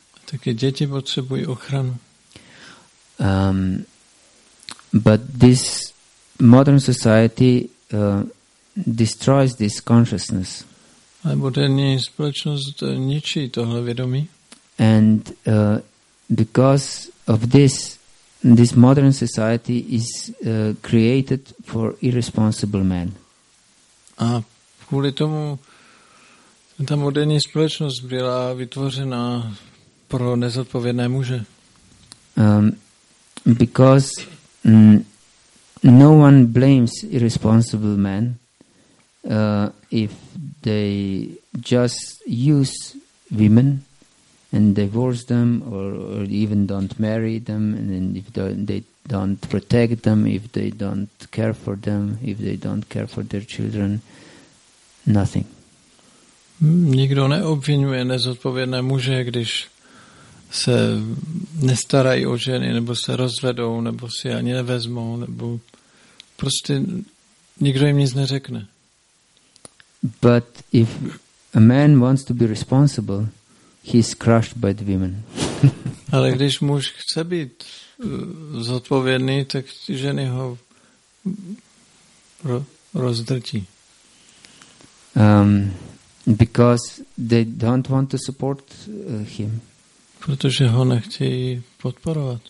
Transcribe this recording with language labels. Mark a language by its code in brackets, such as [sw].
[cs] Taky děti potřebují ochranu. [en] But this modern society destroys this consciousness. [cs] A moderní společnost ničí tohle vědomí. [en] And because of this, this modern society is created for irresponsible men. [cs] A kvůli tomu ta moderní společnost byla vytvořena pro nezodpovědné muže. [en] Because no one blames irresponsible men if they just use women and divorce them or even don't marry them, and if they don't protect them, if they don't care for them, if they don't care for their children, nothing. [cs] Nikdo neobvinuje nezodpovědné muže, když se nestarají o ženy, nebo se rozvedou, nebo si ani nevezmou, nebo prostě nikdo jim nic neřekne. [en] But if a man wants to be responsible, he's crushed by the women. [cs] Ale když muž chce být zodpovědný, tak ženy ho rozdrtí. [en] Because they don't want to support him. [cs] Protože ho nechtějí podporovat.